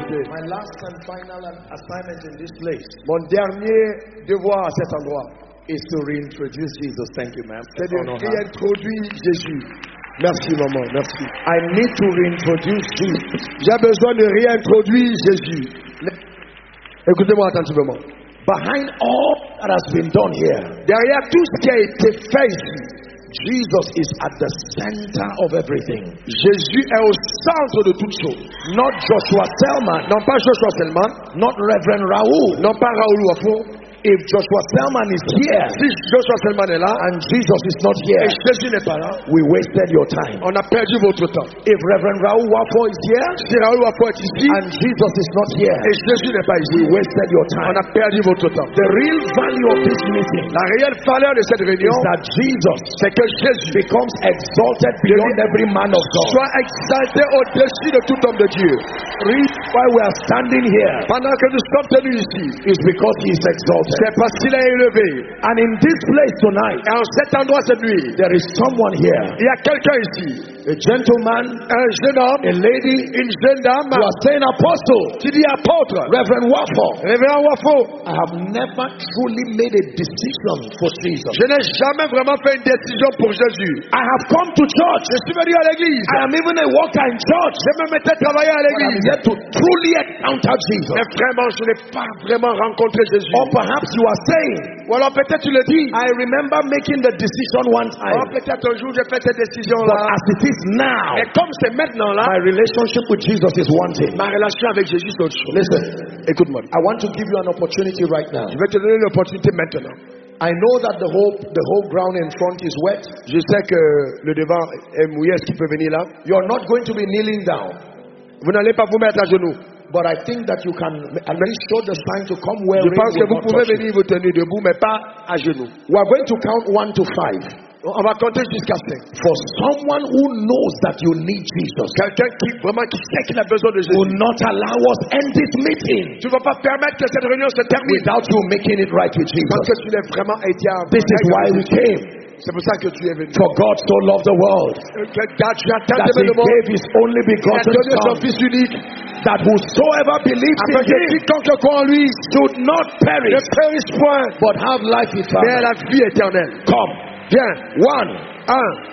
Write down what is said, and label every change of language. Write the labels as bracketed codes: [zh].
[en] My last and final assignment in this place. [fr] Mon dernier devoir à cet endroit [en] is to reintroduce Jesus. Thank you, ma'am. [fr] C'est de réintroduire Jésus. Merci, maman. Merci. [en] I need to reintroduce Jesus. [fr] J'ai besoin de réintroduire Jésus. Écoutez-moi attentivement. [en] Behind all that has been done here, [fr] derrière tout ce qui a été fait, [en] Jesus is at the center of everything. [fr] Jésus est au centre de toutes choses. [en] Not Joshua Selman. [fr] Non pas Joshua Selman. [en] Not Reverend Raoul. [fr] Non pas Raoul Wafo. [en] If Joshua Selman is here, [fr] si Joshua Selman est là, [en] and Jesus is not here, [fr] et Jésus n'est pas là, [en] we wasted your time. [fr] On a perdu votre temps. [en] If Reverend Raoul Wafo is here, [fr] si Raoul Wafo est ici, [en] and Jesus is not here, [fr] et Jésus n'est pas ici, [en] we wasted your time. [fr] On a perdu votre temps. [en] The real value of this meeting, [fr] la réelle valeur de cette réunion, [en] is that Jesus, [fr] c'est que Jésus [en] becomes exalted beyond every man of God. [fr] Soit exalté au-dessus de tout homme de Dieu. [en] Read why we are standing here. [fr] Pendant que nous sommes tenus ici, [en] is because he is exalted. [fr] C'est parce qu'il est élevé. [en] And in this place tonight, [fr] et en cet endroit cette nuit, [en] there is someone here. [fr] Il y a quelqu'un ici. [en] A gentleman, [fr] un jeune homme, [en] a lady, [fr] une jeune dame, [en] who are saying apostle, [fr] qui dit apôtre, [en] Reverend Wafo, Reverend Wafo, I have never truly made a decision for Jesus. [fr] Je n'ai jamais vraiment fait une décision pour Jésus. [en] I have come to church. [fr] Je suis venu à l'église. [en] I am even a worker in church. [fr] J'ai même été travailler à l'église. [en] But I'm yet to truly encounter Jesus. [fr] Mais vraiment, je n'ai pas vraiment rencontré Jésus. [en] Or perhaps you are saying, [fr] ou alors peut-être tu le dis, [en] I remember making the decision one time. [fr] Alors peut-être un jour j'ai fait cette décision là. [en] But as it is now, [fr] et comme c'est maintenant là, [en] my relationship with Jesus is one thing. [fr] Ma relation avec Jésus est autre chose. [en] Listen, [fr] écoute-moi. [en] I want to give you an opportunity right now. [fr] Je vais te donner une opportunité maintenant. [en] I know that the whole ground in front is wet. [fr] Je sais que le devant est mouillé. Est-ce qu'il peut venir là? [en] You are not going to be kneeling down. [fr] Vous n'allez pas vous mettre à genoux. [en] But I think that you can at least show the sign to come where [fr] we pense que vous pouvez venir vous tenir debout, mais pas à genoux. [en] We are going to count 1 to 5. [fr] On va compter jusqu'à 5. [en] For someone who knows that you need Jesus, [fr] quelqu'un qui vraiment qui sait qu'il a besoin de Jésus, [en] will not allow us end this meeting. [fr] Tu ne vas pas permettre que cette réunion se termine [en] without you making it right with Jesus. [fr] Parce que tu l'as vraiment été à. [en] This is why we came. [fr] C'est pour ça que tu es venu. [en] For God so loved the world that He gave His only begotten Son, [fr] Fils unique, [en] that whosoever believes in Him, [fr] quiconque croit en lui, [en] should not perish, [fr] ne périsse point, [en] but have life eternal. [fr] Mais la vie éternelle. [en] Come. [fr] Bien. [en] One. [fr] Un.